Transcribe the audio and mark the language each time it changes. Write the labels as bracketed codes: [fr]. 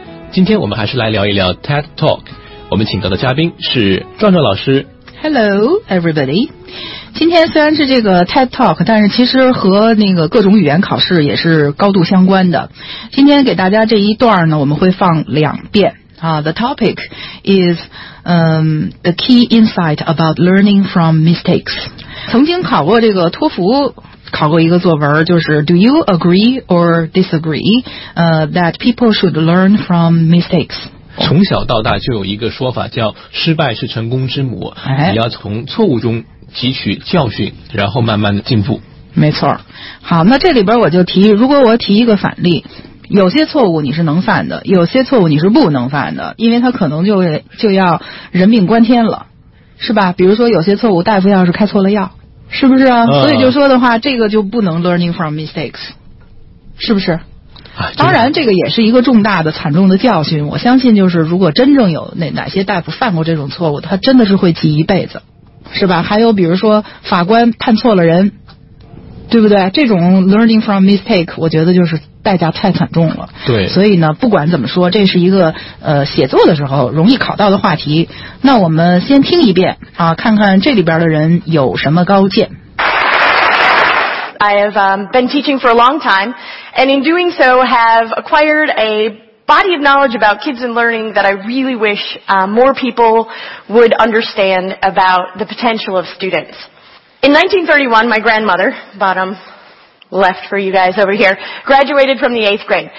[zh] 今天我们还是来聊一聊 TED Talk， 我们请到的嘉宾是壮壮老师。 [en] Hello, everybody. [zh] 今天虽然是这个 TED Talk， 但是其实和那个各种语言考试也是高度相关的。今天给大家这一段呢，我们会放两遍。 [en] The topic is the key insight about learning from mistakes. [zh] 曾经考过这个托福，考过一个作文，就是 [en] Do you agree or disagree that people should learn from mistakes? [zh] 从小到大就有一个说法叫失败是成功之母，你要从错误中汲取教训，然后慢慢的进步。没错。好，那这里边我就提，如果我提一个反例，有些错误你是能犯的，有些错误你是不能犯的，因为它可能就要人命关天了，是吧？比如说有些错误大夫要是开错了药，是不是啊？所以就说的话，这个就不能 [en] learning from mistakes， [zh] 是不是？当然这个也是一个重大的惨重的教训，我相信就是如果真正有哪些大夫犯过这种错误，他真的是会记一辈子，是吧？还有比如说法官判错了人，对不对？这种 [en] learning from mistake [zh] 我觉得就是代价太惨重了。对，所以呢不管怎么说，这是一个写作的时候容易考到的话题。那我们先听一遍啊，看看这里边的人有什么高见。 [en] I have been teaching for a long time, and in doing so have acquired a body of knowledge about kids and learning that I really wish more people would understand about the potential of students. In 1931, my grandmother, bottom left for you guys over here, graduated from the 8th grade.